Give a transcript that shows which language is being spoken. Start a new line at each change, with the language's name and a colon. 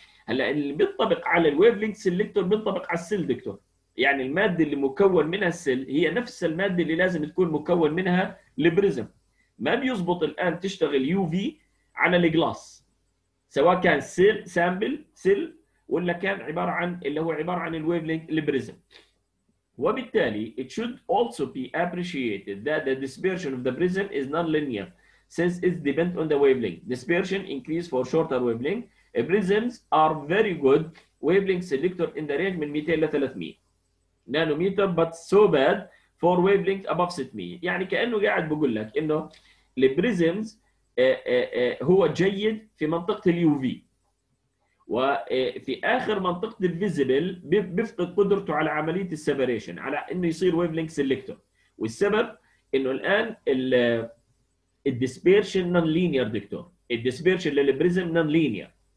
Arabic: هلا اللي بينطبق على الويف لينكس سيلكتور بينطبق على السيل دكتور، يعني الماده اللي مكون منها السيل هي نفس الماده اللي لازم تكون مكون منها البريزم. ما بيزبط الان تشتغل يو في على الجلاس، سواء كان سيل سامبل سيل ولا كان عباره عن اللي هو عباره عن الويف لينك البريزم. وبالتالي
English: it should also be appreciated that the dispersion of the prism is non-linear since it's depend on the wavelength. Dispersion increase for shorter wavelength. Prisms are very good wavelength selector in the range
Arabic: من 200 ل 300
English: nanometer but so bad for wavelength above 600.
Arabic: يعني كأنه قاعد بقول لك انه البريزمز هو جيد في منطقة اليو في، وفي اخر منطقة الفيزبل بيفقد قدرته على عملية السبريشن على انه يصير
English: wavelength selector.
Arabic: والسبب انه الان الديسبيرشن نون لينير دكتور، الديسبيرشن للبريزم نون لينير.